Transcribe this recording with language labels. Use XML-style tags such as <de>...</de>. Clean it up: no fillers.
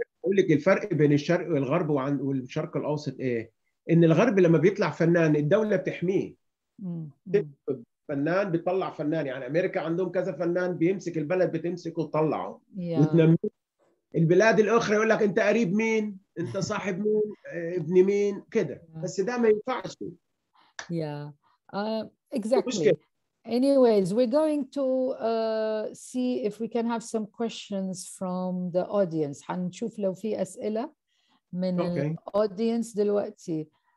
<ar>أقولك الفرق بين الشرق والغرب والشرق الأوسط إيه؟ إن الغرب لما بيطلع فنان الدولة بتحميه. فنان بيطلع فنان، يعني أمريكا عندهم كذا فنان بيمسك البلد بتمسكه وتطلعه وتنميه. البلاد الأخرى يقول لك أنت قريب مين؟ أنت صاحب مين؟ ابن مين؟ كده. بس ده ما ينفعش.</ar> <en>Exactly. Anyways, we're going to see if we can have some questions from the audience.</en> <ar>حنشوف لو في أسئلة من الأودينس دلوقتي.</ar>